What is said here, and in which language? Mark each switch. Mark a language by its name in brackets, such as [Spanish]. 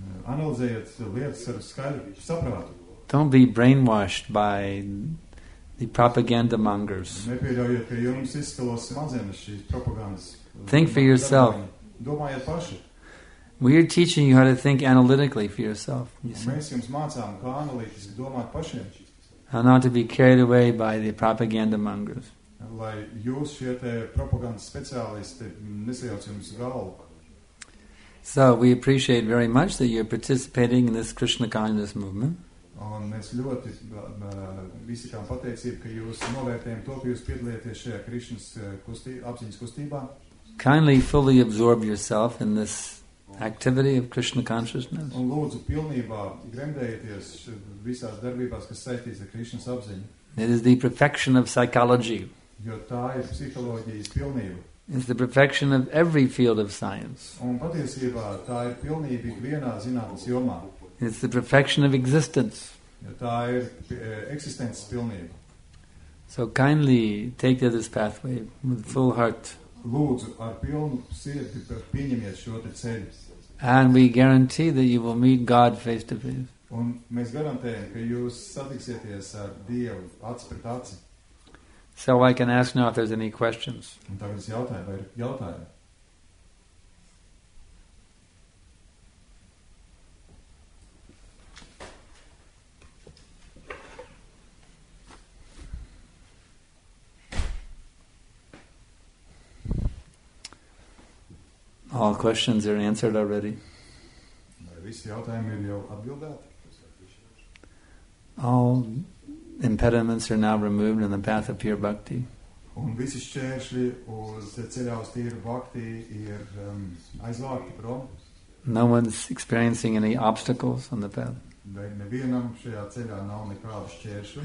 [Latvian] Analizējiet lietas ar skaļu saprātu. [English] Don't be brainwashed by the propaganda mongers. [Latvian] Nepieļaujiet, ka jums izskalos smadzenes šīs propagandas. [English] Think for yourself. [Latvian] Domājiet paši. [English] We are teaching you how to think analytically for yourself. [Latvian] Mēs jums mācām, kā analītiski domāt pašiem. [English] And not to be carried away by the propaganda mongers. [Latvian] Lai jūs šie te propagandas speciālisti nesajauc jums galvu. [English] So we appreciate very much that you're participating in this Krishna consciousness movement. [Latvian] Un mēs ļoti visi tam pateicību, ka jūs novērtējam to, ka jūs piedalieties šajā Krišnas apziņas kustībā. [English] Kindly fully absorb yourself in this activity of Krishna consciousness. [Latvian] Un lūdzu pilnībā gremdējieties visās darbībās, kas saistīts ar Krišnas apziņu. [English] It is the perfection of psychology. [Latvian] Jo tā ir psiholoģijas pilnība. [English] It's the perfection of every field of science. [Latvian] Un patiesībā tā ir pilnība vienā zinātnes jomā. [English] It's the perfection of existence. [Latvian] Jo tā ir eksistences pilnība. [English] So kindly take this pathway with full heart. [Latvian] Lūdzu, ar pilnu sirdi pieņemiet šo te ceļu. [English] And we guarantee that you will meet God face to face. [Latvian] Un mēs garantējam, ka jūs satiksieties ar Dievu acis pret aci. [English] So I can ask now if there's any questions. [Latvian] Un tagad es jautāju, vai ir jautājumi? [English] All questions are answered already. [Latvian] Visi jautājumi ir jau atbildēti. [English] All impediments are now removed in the path of pure bhakti. [Latvian] Un visi šķēršļi uz ceļā uz tīru bhakti ir aizvākti prom. [English] No one's experiencing any obstacles on the path. [Latvian] Vai nevienam šajā ceļā nav nekādu šķēršļu.